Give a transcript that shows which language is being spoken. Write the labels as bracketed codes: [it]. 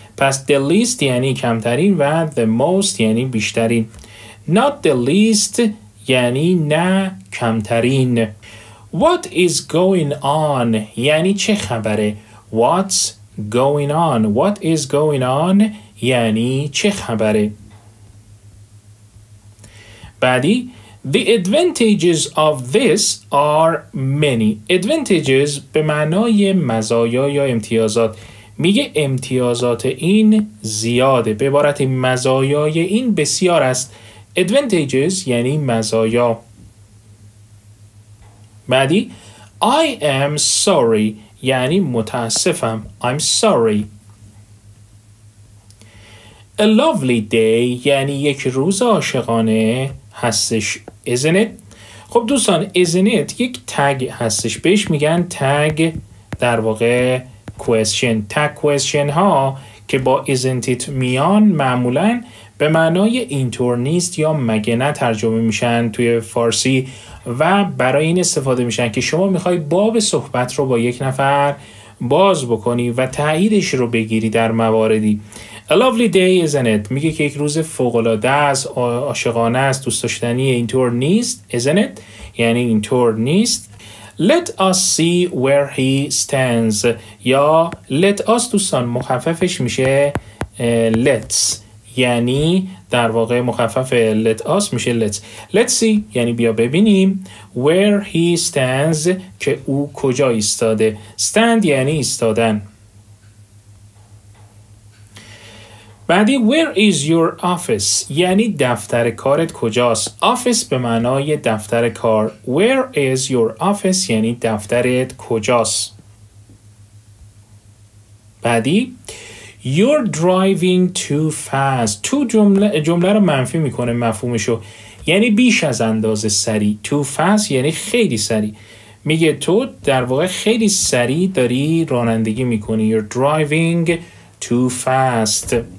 [fa] پس the least یعنی کمترین و the most یعنی بیشترین. [en] Not the least [fa] یعنی نه کمترین. [en] What is going on [fa] یعنی چه خبره. [en] What's going on. What is going on [fa] یعنی چه خبره. [en] بعدی The advantages of this are many. [fa] Advantages به معنای مزایا یا امتیازات. میگه امتیازات این زیاده. به عبارت مزایای این بسیار است. Advantages یعنی مزایا. بعدی [en] I am sorry [fa] یعنی متاسفم. [en] I'm sorry. A lovely day [fa] یعنی یک روز عاشقانه هستش. [en] Isn't it؟ [fa] خب دوستان isn't it یک تگ هستش، بهش میگن تگ در واقع question. تگ question ها که با isn't it میان معمولا به معنای اینطور نیست یا مگه نه ترجمه میشن توی فارسی و برای این استفاده میشن که شما میخوای باب صحبت رو با یک نفر باز بکنی و تاییدش رو بگیری در مواردی. [en] A lovely day, isn't it? [fa] میگه که یک روز فوق‌العاده است، عاشقانه است، دوست داشتنیه. اینطور نیست، [en] isn't it؟ [fa] یعنی اینطور نیست. [en] Let us see where he stands. [fa] یا let us دوستان مخففش میشه let's. یعنی در واقع مخفف let us میشه let's. [en] Let's see [fa] یعنی بیا ببینیم. [en] Where he stands [fa] که او کجا ایستاده. Stand یعنی ایستادن. بعدی [en] where is your office [fa] یعنی دفتر کارت کجاست. office به معنای دفتر کار. [en] where is your office [fa] یعنی دفترت کجاست. [en] بعدی you're driving too fast. [fa] تو جمله رو منفی میکنه مفهومشو، یعنی بیش از اندازه سری. too fast یعنی خیلی سری. میگه تو در واقع خیلی سری داری رانندگی میکنی. [en] you're driving too fast.